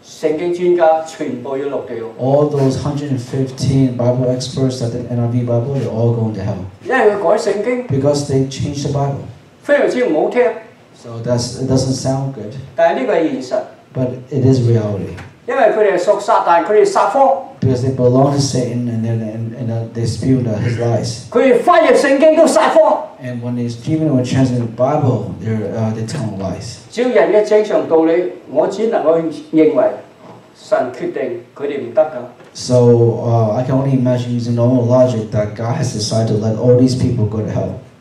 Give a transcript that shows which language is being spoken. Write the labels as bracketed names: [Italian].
[Cantonese] 嗰115個聖經專家全部要落地獄。 [English] All those 115 Bible experts at the NIV Bible, they're all going to hell. [Cantonese] 因為佢改聖經。 [English] Because they changed the Bible. [Cantonese] 非常之唔好聽。 [English] So it doesn't sound good. [Cantonese] 但係呢個係現實。 [English] But it is reality. [Cantonese] 因為佢哋係屬撒旦，佢哋撒謊。 [English] Because they belong to Satan and they spew his lies. [Cantonese] 佢哋翻譯聖經都撒謊。 [English] And when they're speaking or translating the Bible, they're telling lies. [Cantonese] 照人嘅正常道理，我只能夠認為神決定佢哋唔得噶。 [English] So I can only imagine using normal logic that God has decided to let all these people go to hell.